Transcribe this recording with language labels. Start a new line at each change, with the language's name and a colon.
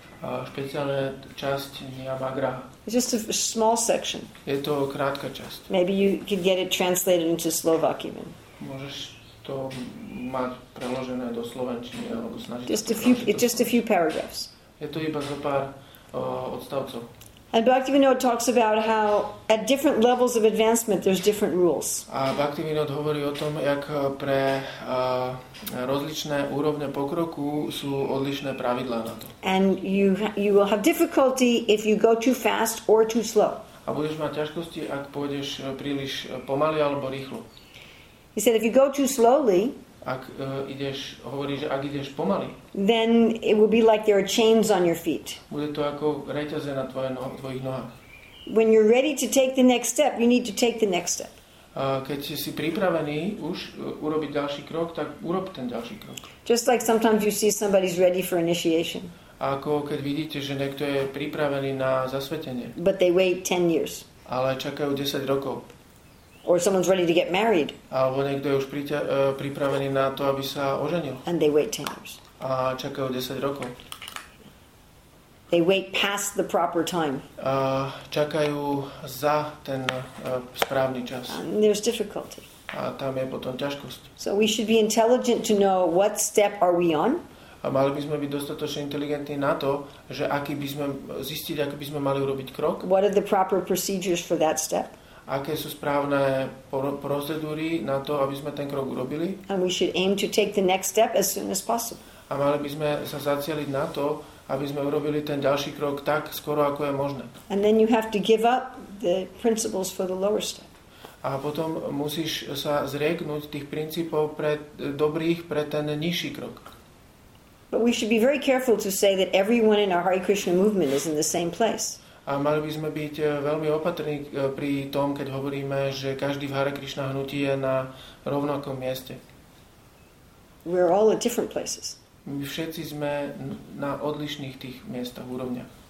Slovak: Špeciálne časť Niyamagraha.
English: It's just a small section.
Slovak: Je to krátka časť.
English: Maybe you could get it translated into Slovak even.
Slovak: Môžeš to mať preložené do slovenčiny alebo snažiť.
English: It's just a few paragraphs.
Slovak: Je to iba zo pár odstavcov.
English: And Bhaktivinoda talks about how at different levels of advancement there's different rules.
Slovak: A Bhaktivinoda hovorí o tom, jak pre rozličné úrovne pokroku sú odlišné pravidlá na to.
English: And you will have difficulty if you go too fast or too slow.
Slovak: A budeš mať ťažkosti, ak pôjdeš príliš pomaly alebo rýchlo.
English: He said if you go too slowly,
Slovak: ak ideš, hovorí, že ak ideš pomaly,
English: then it will be like there are chains on your feet.
Slovak: Bude to ako reťaze na tvojich nohách.
English: When you're ready to take the next step, you need to take the next step.
Slovak: Keď si pripravený už urobiť ďalší krok, tak urob ten ďalší krok.
English: Just like sometimes you see somebody's ready for initiation.
Slovak: Ako keď vidíte, že niekto je pripravený na zasvetenie.
English: But they wait 10 years.
Slovak: Ale čakajú 10 rokov.
English: Or someone's ready to get married.
Slovak: Alebo niekto je už pripravený na to, aby sa oženil.
English: And they wait 10 years.
Slovak: A čakajú 10 rokov.
English: They wait past the proper time.
Slovak: Čakajú za ten správny čas.
English: And there's difficulty.
Slovak: A tam je potom ťažkosť.
English: So we should be intelligent to know what step are we on.
Slovak: a mali by sme byť dostatočne inteligentní na to, že aký by sme zistiť, aký by sme mali urobiť krok.
English: What are the proper procedures for that step?
Slovak: Aké sú správne procedúry na to, aby sme ten krok urobili?
English: And we should aim to take the next step as soon as possible.
Slovak: A mali by sme sa zacieliť na to, aby sme urobili ten ďalší krok tak skoro, ako je možné.
English: And then you have to give up the principles for the lower step.
Slovak: A potom musíš sa zrieknúť tých princípov pre dobrých pre ten nižší krok.
English: But we should be very careful to say that everyone in our Hare Krishna movement is in the same place.
Slovak: A mali by sme byť veľmi opatrní pri tom, keď hovoríme, že každý v Hare Krishna hnutí je na rovnakom mieste.
English: We're all at different places.
Slovak: My všetci sme na odlišných tých miestach, úrovniach.